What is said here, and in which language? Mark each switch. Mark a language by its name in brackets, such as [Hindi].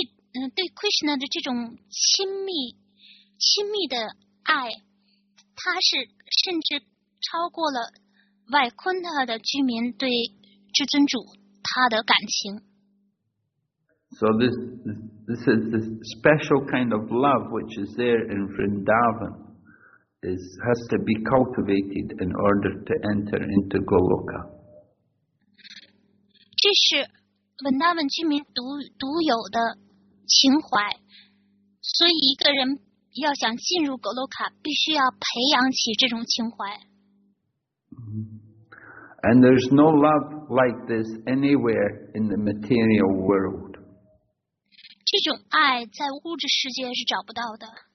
[Chinese] 对 Krishna 的这种亲密的爱，它是甚至超过了 Vaikuntha 的居民对至尊主他的感情。 [English] So this is the special kind of love which is there in Vrindavan has to be cultivated in order to enter into Goloka. [Chinese] 这是文达文居民独有的情怀，所以一个人要想进入格洛卡，必须要培养起这种情怀。 [English] And there's no love like this anywhere in the material world. [Chinese] 这种爱在物质世界是找不到的。